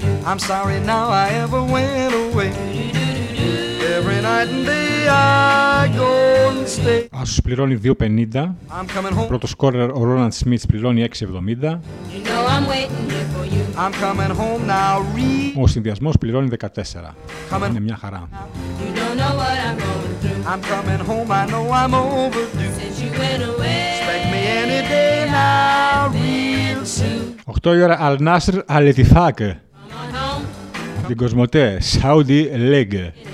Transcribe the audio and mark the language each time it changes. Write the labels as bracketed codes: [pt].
[en] I'm sorry now I ever went away. Every night and day I go and stay. [el] Άσος πληρώνει 2.50. Πρώτο σκόρερ ο Ρόναντ Σμιτ πληρώνει 6.70. [en] You know I'm coming home now, [el] ο συνδυασμός πληρώνει 14. [en] Coming. [el] Είναι μια χαρά. [en] You don't know what I'm going through. I'm coming home, I know I'm overdue. Since you went away. Expect me any day now, real soon. [el] 8 η ώρα Al Nassr Al Ittihad. Την Κοσμοτέ, Saudi League.